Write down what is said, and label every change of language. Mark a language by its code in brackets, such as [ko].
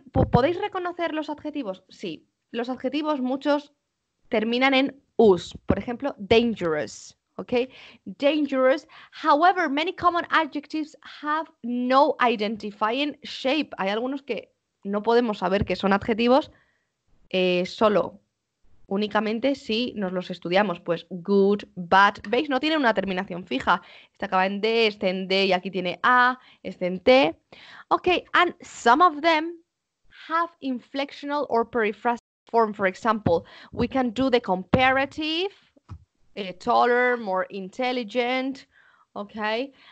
[es] ¿Podéis reconocer los adjetivos? Sí, los adjetivos muchos terminan en us. Por ejemplo, [en] dangerous. Okay, dangerous. However, many common adjectives have no identifying shape. [es] Hay algunos que no podemos saber que son adjetivos solo, únicamente si nos los estudiamos. Pues good, bad, ¿veis? No tienen una terminación fija. Este acaba en D, este en D y aquí tiene A, este en T. [en] Okay, and some of them have inflectional or periphrastic form. For example, we can do the comparative, taller, more intelligent, okay?